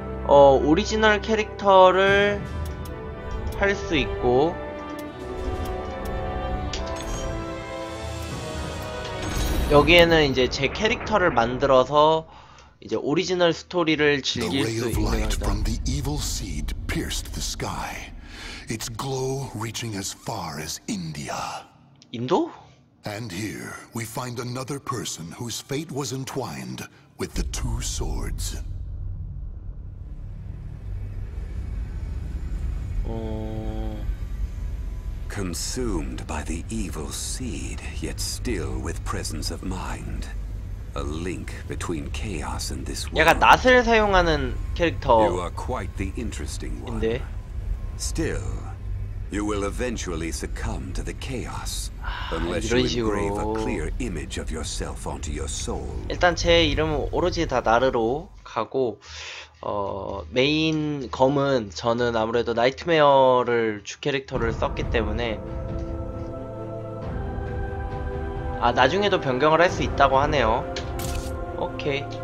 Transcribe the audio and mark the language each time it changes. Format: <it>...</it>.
<ko>오리지널 캐릭터를 할 수 있고 여기에는 이제 제 캐릭터를 만들어서 이제 오리지널 스토리를 즐길 수 있습니다. 인도?</ko> <en>And here we find another person whose fate was entwined with the two swords. Consumed by the evil seed, yet still with presence of mind. A link between chaos and this world.</en> <ko>약간 낫을 사용하는 캐릭터.</ko> <en>You are quite the interesting one. Still, you will eventually succumb to the chaos. 아, unless you engrave a clear image of yourself onto your soul.</en> <ko>일단 제 이름은 오로지 다 나르로 가고 메인 검은 저는 아무래도 나이트메어를 주 캐릭터를 썼기 때문에 아 나중에도 변경을 할 수 있다고 하네요. 오케이.</ko>